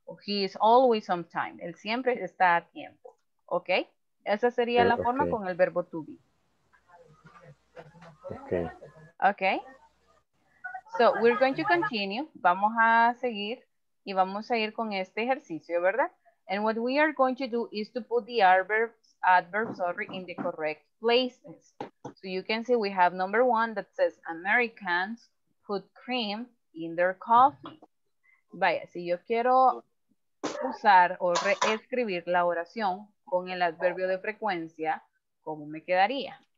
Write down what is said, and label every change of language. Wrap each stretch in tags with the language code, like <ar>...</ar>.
<en>He is always on time.</en> <es>Él siempre está a tiempo.</es> <en>¿Ok?</en> <es>Esa sería la forma con el verbo to be.</es> <en>Ok. Ok. So, we're going to continue.</en> <es>Vamos a seguir y vamos a ir con este ejercicio, ¿verdad?</es> <en>And what we are going to do is to put the adverbs in the correct places. So you can see we have number one that says Americans put cream in their coffee.</en> <es>Vaya, si yo quiero usar o reescribir la oración con el adverbio de frecuencia, ¿cómo me quedaría?</es>